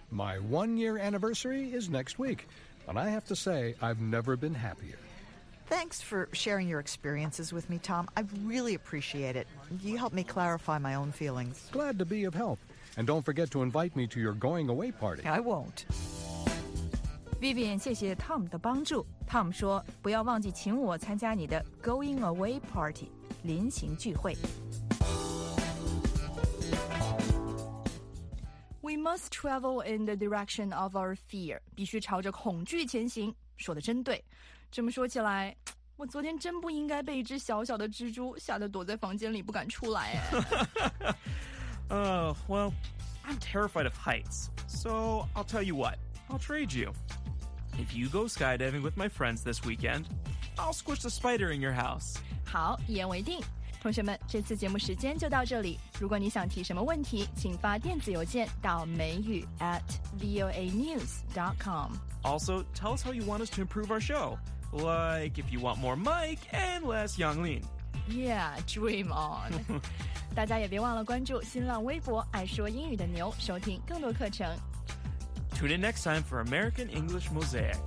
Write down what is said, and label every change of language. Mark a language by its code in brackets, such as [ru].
[en] My 1-year anniversary is next week, and I have to say I've never been happier. Thanks for sharing your experiences with me, Tom. I really appreciate it. You helped me clarify my own feelings. Glad to be of help. And don't forget to invite me to your going away party. I won't. [zh] Vivian, 谢谢 Tom 的帮助。Tom 说，不要忘记请我参加你的 [en] going away party, [zh] 临行聚会。 [en] We must travel in the direction of our fear, [zh] 必须朝着恐惧前行。说得真对。这么说起来，我昨天真不应该被一只小小的蜘蛛吓得躲在房间里不敢出来。 [en] well, I'm terrified of heights, so I'll tell you what, I'll trade you. If you go skydiving with my friends this weekend, I'll squish the spider in your house. [zh] 好，一言为定。同学们，这次节目时间就到这里。如果你想提什么问题，请发电子邮件到美语@voanews.com. [en] Also, tell us how you want us to improve our show. Like, if you want more Mike and less Yang Lin. Yeah, dream on. [zh] 大家也别忘了关注新浪微博爱说英语的牛，收听更多课程。 [en] Tune in next time for American English Mosaic.